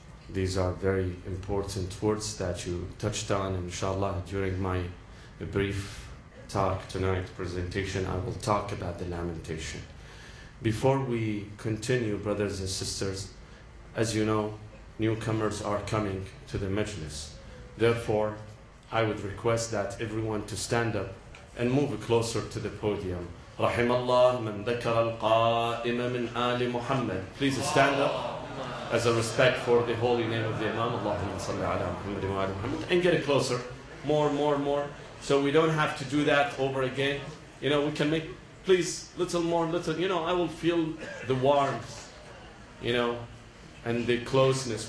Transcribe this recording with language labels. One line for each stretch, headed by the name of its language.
English: These are very important words that you touched on, inshallah, during my brief talk tonight, presentation, I will talk about the lamentation. Before we continue, brothers and sisters, as you know, newcomers are coming to the majlis. Therefore, I would request that everyone to stand up and move closer to the podium.
Arabic: رحم الله من ذكر القائم من آل محمد.
English: Please stand up as a respect for the holy name of the Imam.
Arabic: Allahumma salli ala Muhammad wa ala Muhammad.
English: And get it closer. More. So we don't have to do that over again. You know, we can make, please, little more. You know, I will feel the warmth, you know, and the closeness.